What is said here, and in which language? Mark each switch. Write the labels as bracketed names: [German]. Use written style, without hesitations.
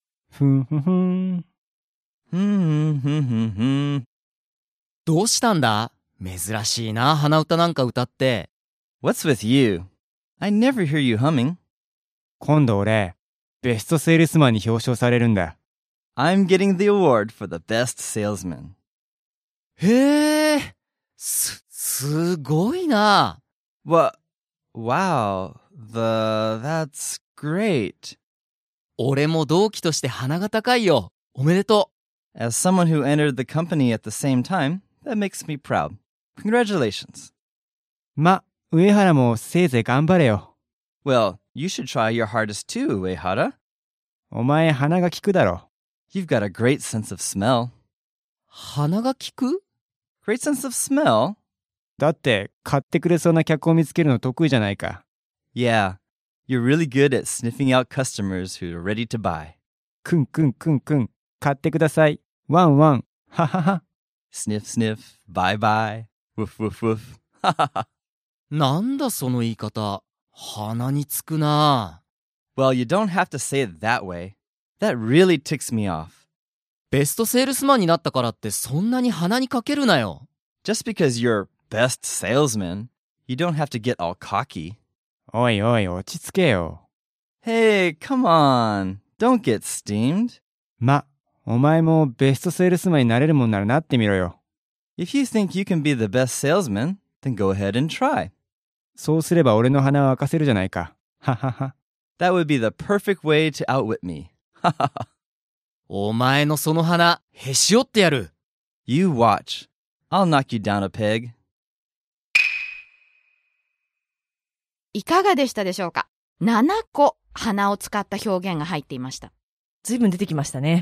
[Japanese] ふんふんふん。ふんふんふんふん。どうしたんだ？珍しいな、鼻歌なんか歌って。 [English] What's with you? I never hear you humming. [Japanese] 今度俺、ベストセールスマンに表彰されるんだ。 [English] I'm getting the award for the best salesman. [Japanese] へぇー、すごいな。 [English] that's great. [Japanese] 俺も同期として鼻が高いよ。おめでとう。 [English] As someone who entered the company at the same time, that makes me proud. Congratulations. [Japanese] ま、上原もせいぜい頑張れよ。 [English] Well, you should try your hardest too, 上原。 [Japanese] お前鼻が効くだろ。 [English] You've got a great sense of smell. [Japanese] 鼻が効く？ [English] Great sense of smell? [Japanese] だって買ってくれそうな客を見つけるの得意じゃないか。 [English] Yeah, you're really good at sniffing out customers who are ready to buy. [Japanese] クンクンクンクン、買ってください。ワンワン、ハハハ。 [English] Sniff sniff, bye bye, woof woof woof, ハハハ。 [Japanese] なんだその言い方、鼻につくな。 [English] Well, you don't have to say it that way. That really ticks me off. [Japanese] ベストセールスマンになったからってそんなに鼻にかけるなよ。 [English] Just because you're best salesman, you don't have to get all cocky. [Japanese] おいおい、落ち着けよ。 [English] Hey, come on. Don't get steamed. [Japanese] ま、お前もベストセールスマンになれるもんならなってみろよ。 [English] If you think you can be the best salesman, then go ahead and try. [Japanese] そうすれば俺の鼻を明かせるじゃないか。ははは。 [English] That would be the perfect way to outwit me. [Japanese] お前のその鼻、へし折ってやる。 [English] You watch. I'll knock you down a peg. [Japanese] いかがでしたでしょうか。7個鼻を使った表現が入っていました。随分出てきましたね。